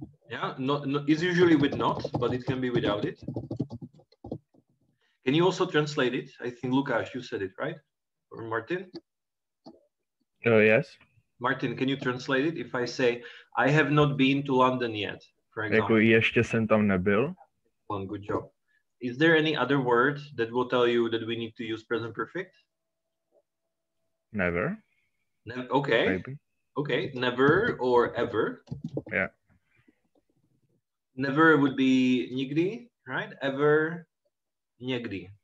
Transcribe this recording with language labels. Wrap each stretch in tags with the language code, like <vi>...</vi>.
<en>Yeah, not is usually with not, but it can be without it. Can you also translate it? I think Lukáš, you said it, right? Or Martin? Oh, yes. Martin, can you translate it if I say, I have not been to London yet?</en> <cs>Jako ještě jsem tam nebyl.</cs> <en>Good job. Is there any other word that will tell you that we need to use present perfect? Never. Okay. Maybe. Okay. Never or ever. Yeah. Never would be nikdy, right? Ever, někdy.</en>